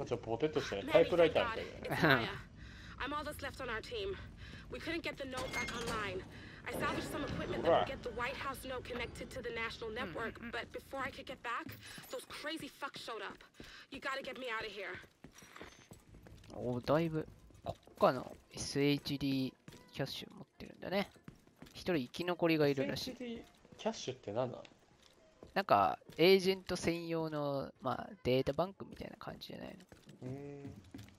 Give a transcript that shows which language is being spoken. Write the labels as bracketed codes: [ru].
[ja] ちょっとポテトしてタイプライターみたいな。 [en] I'm all that's left on our team. We couldn't get the note back online. I salvaged some equipment that would get the White House note connected to the national network, but before I could get back, those crazy fucks showed up. You gotta get me out of here. [ja] おー、だいぶ国家の SHD キャッシュ持ってるんだね。一人生き残りがいるらしい。 SHD キャッシュって何だ？なんか、エージェント専用の、まあ、データバンクみたいな感じじゃないの。